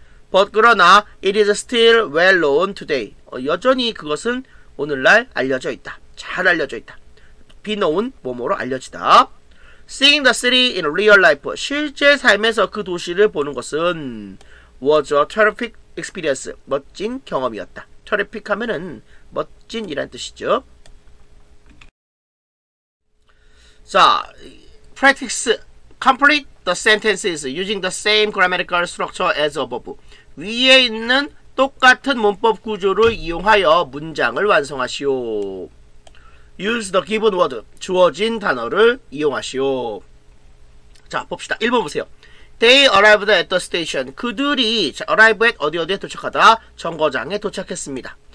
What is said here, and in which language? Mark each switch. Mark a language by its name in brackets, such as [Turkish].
[English] But [Korean] 그러나 [English] it is still well known today. [Korean] 여전히 그것은 오늘날 알려져 있다. 잘 알려져 있다. Be known, 뭐뭐로 알려지다. [English] Seeing the city in real life, [Korean] 실제 삶에서 그 도시를 보는 것은 [English] was a terrific experience, [Korean] 멋진 경험이었다. Terrific 하면은 멋진이란 뜻이죠. [English] 자, practice, complete the sentences using the same grammatical structure as above. [Korean] 위에 있는 똑같은 문법 구조를 이용하여 문장을 완성하시오. [English] Use the given word, [Korean] 주어진 단어를 이용하시오. 자, 봅시다. 1번 보세요. [English] They arrived at the station. [Korean] 그들이 자, arrive at 어디 어디에 도착하다 정거장에 도착했습니다.